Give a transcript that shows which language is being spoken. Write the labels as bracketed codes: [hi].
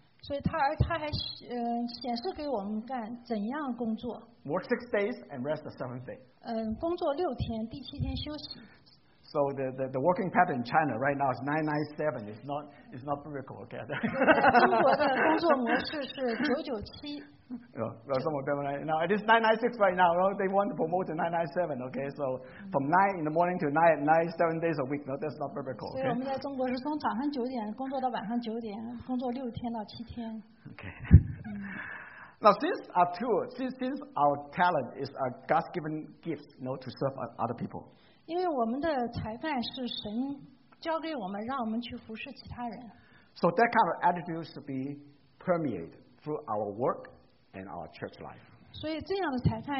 [zh] 所以他还显示给我们干怎样工作。 [en] Work 6 days and rest the 7th day. [zh] 工作6天,第7天休息。 [en] So the working pattern in China right now is 997. It's not biblical, okay? [zh] 中国的工作模式是997。 [en] Right now, it is 996 right now. Right? They want to promote to 997, okay? So from 9 in the morning to 9 at night, 7 days a week. No, that's not biblical, okay? [zh] 所以我们在中国是从早上9点工作到晚上9点,工作6天到7天。 [en] Okay. Now, since our talent is a God-given gift, you know, to serve other people. [zh] 因为我们的才干是神交给我们，让我们去服侍其他人。 [en] So that kind of attitude should be permeated through our work and our church life.